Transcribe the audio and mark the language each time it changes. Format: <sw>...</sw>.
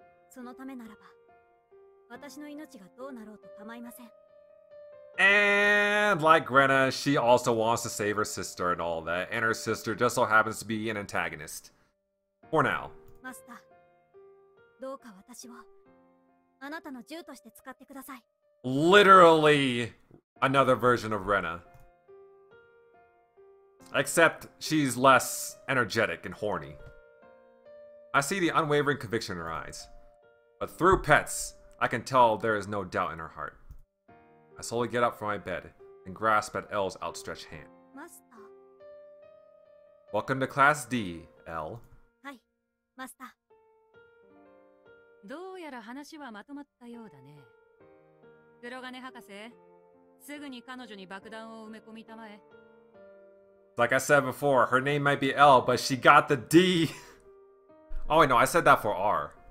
<ja>そのためならば、私の命がどうなろうと構いません。</ja> <en>And like Rena, she also wants to save her sister and all that, and her sister just so happens to be an antagonist. For now.</en> <ja>マスター、どうか私をあなたの銃として使ってください。</ja> <en>Literally, another version of Rena. Except she's less energetic and horny. I see the unwavering conviction in her eyes. But through pets, I can tell there is no doubt in her heart. I slowly get up from my bed and grasp at L's outstretched hand. Master. Welcome to Class D, L. Hi, Master.</en> <ja>どうやら話はまとまったようだね。黒金博士、すぐに彼女に爆弾を埋め込みたまえ。</ja> <en>Like I said before, her name might be L, but she got the D. Oh, wait, no, I said that for R.</en>